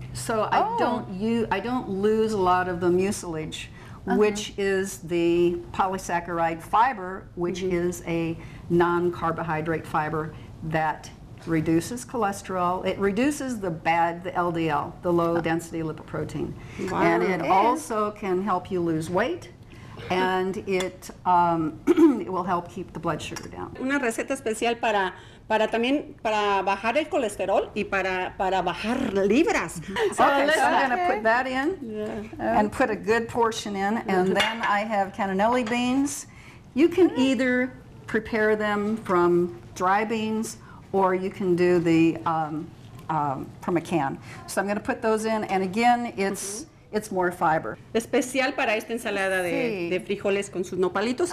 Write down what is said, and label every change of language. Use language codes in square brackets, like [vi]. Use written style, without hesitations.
[en] So I don't lose a lot of the mucilage, which is the polysaccharide fiber, which is a non-carbohydrate fiber that reduces cholesterol. It reduces the bad, the LDL, the low-density lipoprotein. Wow. And it also can help you lose weight. And it it will help keep the blood sugar down. [es] Una receta especial para bajar el colesterol y para bajar libras. [en] I'm going to put that in and put a good portion in. And then I have cannelloni beans. You can either prepare them from dry beans or you can do the from a can. So I'm going to put those in. And again, it's more fiber. [es] Especial para esta ensalada de frijoles con sus nopalitos.